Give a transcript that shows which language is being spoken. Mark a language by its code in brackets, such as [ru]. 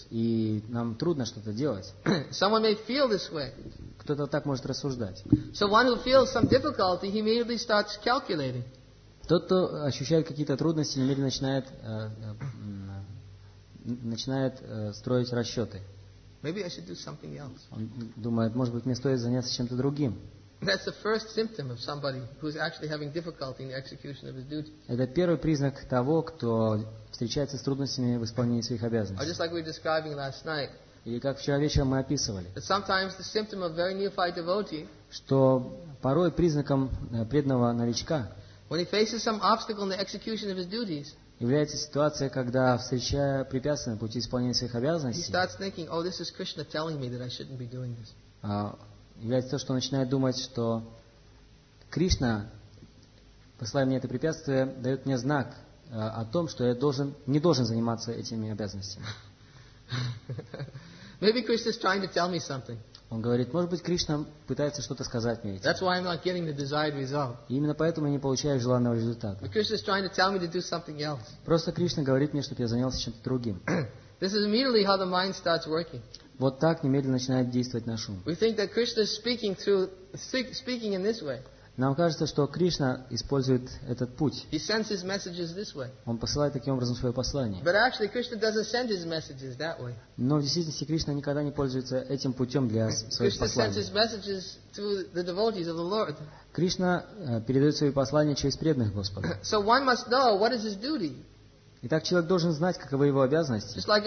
[ru] И нам трудно что-то делать. [en] Someone may feel this way. [ru] Кто-то так может рассуждать. [en] So one who feels some difficulty, he immediately starts calculating. [ru] Тот, кто ощущает какие-то трудности, немедленно начинает строить расчеты. [en] Maybe I should do something else. [ru] Он думает, может быть, мне стоит заняться чем-то другим. [en] That's the first symptom of somebody who's actually having difficulty in the execution of his duty. [ru] Это первый признак того, кто встречается с трудностями в исполнении своих обязанностей. [en] Just like we were describing last night. [ru] Или как вчера вечером мы описывали. [en] Sometimes the symptom of very neophyte devotee. [ru] Что порой признаком преданного новичка. [en] When he faces some obstacle in the execution of his duties. [ru] Является ситуация, когда, встречая препятствия на пути исполнения своих обязанностей. [en] He starts thinking, "Oh, this is Krishna telling me that I shouldn't be doing this." [ru] Является то, что начинает думать, что Кришна, посылая мне это препятствие, дает мне знак о том, что я не должен заниматься этими обязанностями. [en] Maybe Krishna is trying to tell me something. [ru] Он говорит, может быть, Кришна пытается что-то сказать мне этим. [en] That's why I'm not getting the desired result. [ru] И именно поэтому я не получаю желанного результата. [en] But Krishna is trying to tell me to do something else. [ru] Просто Кришна говорит мне, чтобы я занялся чем-то другим. [en] This is immediately how the mind starts working. [ru] Вот так немедленно начинает действовать наш ум. [en] We think that Krishna is speaking in this way. [ru] Нам кажется, что Кришна использует этот путь. [en] He sends his messages this way. [ru] Он посылает таким образом свое послание. [en] But actually, Krishna doesn't send his messages that way. [ru] Но в действительности Кришна никогда не пользуется этим путем для своих посланий. [en] Krishna sends his messages to the devotees of the Lord. [ru] Кришна передает свои послания через преданных Господа. [en] So one must know what is his duty. [ru] Итак, человек должен знать, каковы его обязанности.